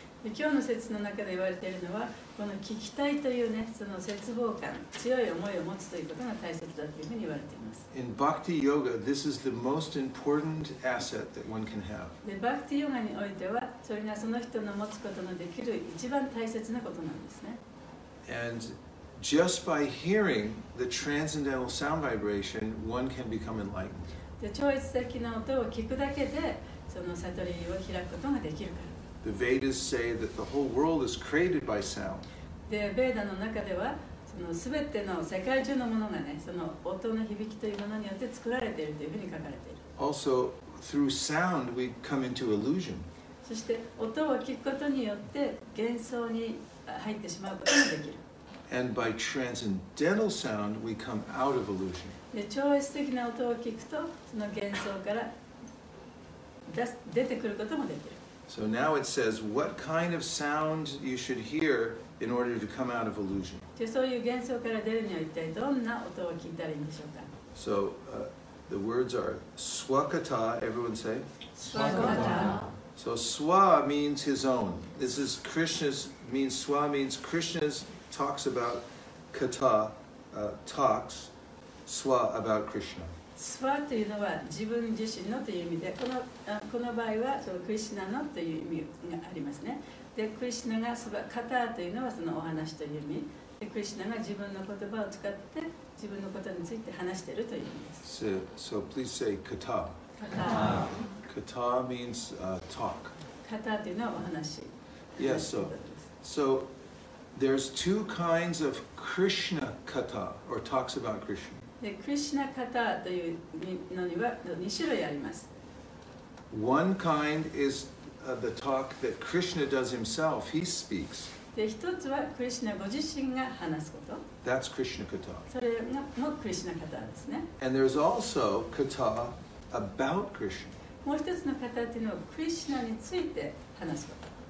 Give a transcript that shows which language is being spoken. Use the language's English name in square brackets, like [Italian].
[Japanese] 今日の説の中で言われているのは、この聞きたいというね、その絶望感、強い思いを持つということが大切だというふうに言われています。 [English] In Bhakti Yoga, this is the most important asset that one can have. [Japanese] で、Bhakti Yoga においては、それがその人の持つことのできる一番大切なことなんですね。 [English] And just by hearing the transcendental sound vibration, one can become enlightened. [Japanese] で、超越的な音を聞くだけで、その悟りを開くことができるから。 [English] The Vedas say that the whole world is created by sound. [Japanese] で、ベーダの中では、その全ての世界中のものがね、その音の響きというものによって作られているというふうに書かれている。 [English] Also, through sound, we come into illusion. [Japanese] そして、音を聞くことによって幻想に入ってしまうことができる。 [English] And by transcendental sound, we come out of illusion. [Japanese] で、超越的な音を聞くと、その幻想から出てくることもできる。 [English] So now it says what kind of sound you should hear in order to come out of illusion. [Japanese] そういう幻想から出るには一体どんな音を聞いたらいいんでしょうか? [English] So the words are swakata, everyone say? Swakata. So swa means his own. This is Krishna's, means swa means Krishna's talks about kata, talks swa about Krishna. [Japanese] スワというのは自分自身のという意味で、この場合はそのクリシナのという意味がありますね。で、クリシナがスワ、カターというのはそのお話という意味。で、クリシナが自分の言葉を使って自分のことについて話しているという意味です。 [English] So please say カター。カター。カター means talk. [Japanese] カターというのはお話。 [English] Yes, so there's two kinds of Krishna kata or talks about Krishna. [Japanese] でクリシナカタというのには2種類あります。 [English] One kind is the talk that Krishna does himself. He speaks. [Japanese] で一つはクリシナご自身が話すこと。 [English] That's Krishna kata. [Japanese] それもクリシナカタですね。 [English] And there's also kata about Krishna. [Japanese] もう一つのカタというのはクリシナについて話すこと。